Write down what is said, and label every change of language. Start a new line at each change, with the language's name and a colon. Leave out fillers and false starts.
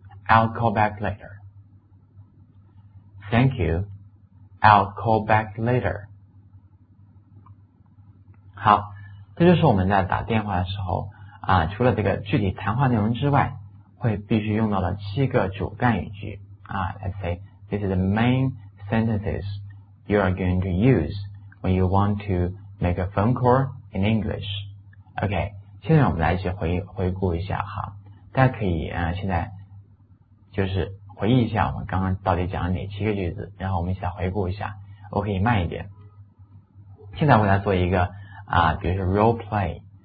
English: I'll call back later. Thank you, I'll call back later.
Chinese: 好，这就是我们在打电话的时候啊，除了这个具体谈话内容之外，会必须用到了七个主干语句啊。
English: Let's say, this is the main sentences you are going to use when you want to make a phone call in English.
Chinese: OK, 现在我们来一起回顾一下哈，大家可以啊现在就是回忆一下我们刚刚到底讲了哪七个句子，然后我们一起来回顾一下。我可以慢一点，现在我给大家做一个啊，比如说 role play。